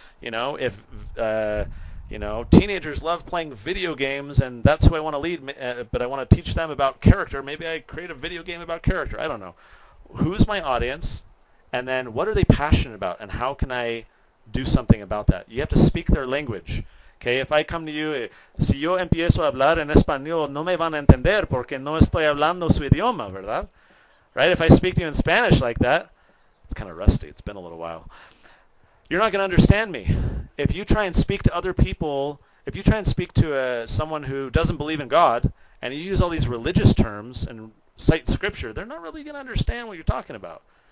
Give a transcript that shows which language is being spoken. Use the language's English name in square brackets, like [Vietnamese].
[English] You know, if you know, teenagers love playing video games and that's who I want to lead, but I want to teach them about character, maybe I create a video game about character. I don't know. Who's my audience? And then what are they passionate about, and how can I do something about that? You have to speak their language. Okay, if I come to you, [Spanish] si yo empiezo a hablar en español, no me van a entender porque no estoy hablando su idioma, ¿verdad? [English] Right, if I speak to you in Spanish like that, it's kind of rusty, it's been a little while. You're not going to understand me. If you try and speak to other people, if you try and speak to someone who doesn't believe in God, and you use all these religious terms and cite scripture, they're not really going to understand what you're talking about.